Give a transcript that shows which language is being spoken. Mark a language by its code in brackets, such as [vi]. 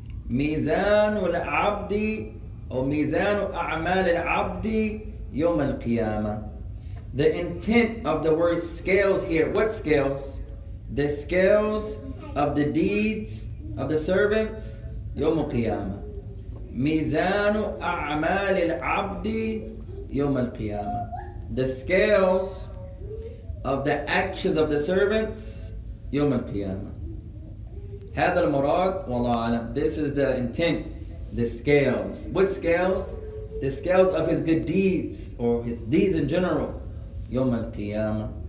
[ar] ميزان العبد أو ميزان أعمال العبد يوم القيامة. [en] The intent of the word scales here. What scales? The scales of the deeds of the servants [ar] يوم القيامة. ميزان أعمال العبد يوم القيامة. [en] The scales of the actions of the servants [ar] يوم القيامة. هذا المراد والله أعلم. [en] This is the intent, the scales. What scales? The scales of his good deeds or his deeds in general. [ar] يوم القيامة.